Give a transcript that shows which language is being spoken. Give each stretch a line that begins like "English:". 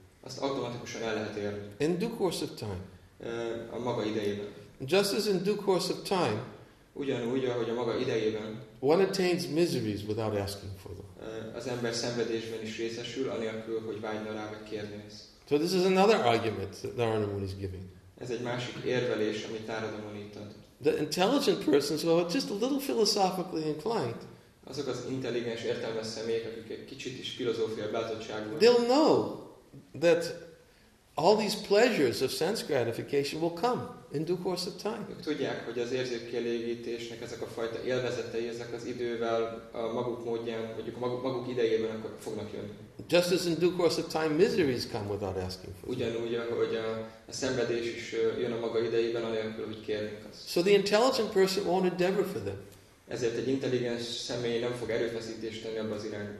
Hungarian: Azt automatikusan el lehet érni.
English: In due course of time.
Hungarian: A maga idejében.
English: Just as in due course of time,
Hungarian: ugyanúgy, ahogy a maga idejében,
English: one attains miseries without asking for them.
Hungarian: Az ember szenvedésben is részesül, anélkül, hogy vágyna rá, vagy kérni.
English: So this is another argument that Narada Muni is giving.
Hungarian: Ez egy másik érvelés, amit Narada Muni ad.
English: The intelligent persons who are just a little philosophically inclined,
Hungarian: azok az intelligens, értelmes személyek, akik egy kicsit is filozófiai beállítottságúak,
English: they'll know that all these pleasures of sense gratification will come in due course of time.
Hungarian: Ők tudják, hogy az érzékkielégítésnek ezek a fajta élvezetei, ezek az idővel, a maguk módján, mondjuk a maguk idejében akkor fognak jönni.
English: Just as in due course of time, miseries come without asking for.
Hungarian: Ugyanúgy, ahogy a szenvedés is jön a maga idejében, anélkül, hogy kérnénk azt.
English: So the intelligent person won't endeavor for them.
Hungarian: Ezért egy intelligens személy nem fog erőfeszítést tenni abba az irányba.